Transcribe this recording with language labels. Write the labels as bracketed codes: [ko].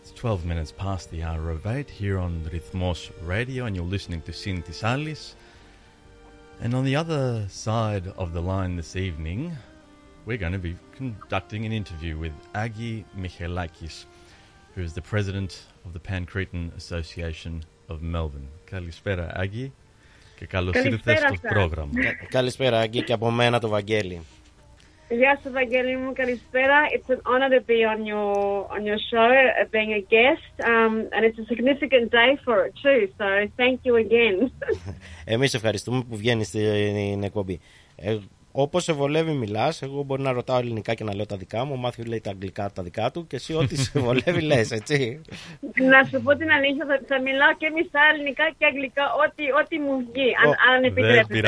[en] Twelve minutes past the hour of eight here on Rhythmos Radio, and you're listening to Sintis Alis. And on the other side of the line this evening, we're going to be conducting an interview with Agi Michelakis, who is the president of the Pan-Cretan Association of Melbourne. [el] Καλησπέρα, Άγγι, και καλώς ήρθες στο πρόγραμμα. Καλησπέρα, Άγγι, και από μένα το Βαγγέλη. Γεια σου, Βαγγέλη μου, καλησπέρα. [en] It's an honor to be on your show, being a guest, and it's a significant day for it too, so thank you again. [el] Εμείς ευχαριστούμε που βγαίνεις στην εκπομπή. Όπως σε βολεύει μιλάς, εγώ μπορεί να ρωτάω ελληνικά και να λέω τα δικά μου. Ο Μάθιου λέει τα αγγλικά τα δικά του και εσύ ό,τι σε βολεύει λες, έτσι. Να σου πω την αλήθεια, θα μιλάω και μισά ελληνικά και αγγλικά, ό,τι μου βγει, αν επιτρέπετε.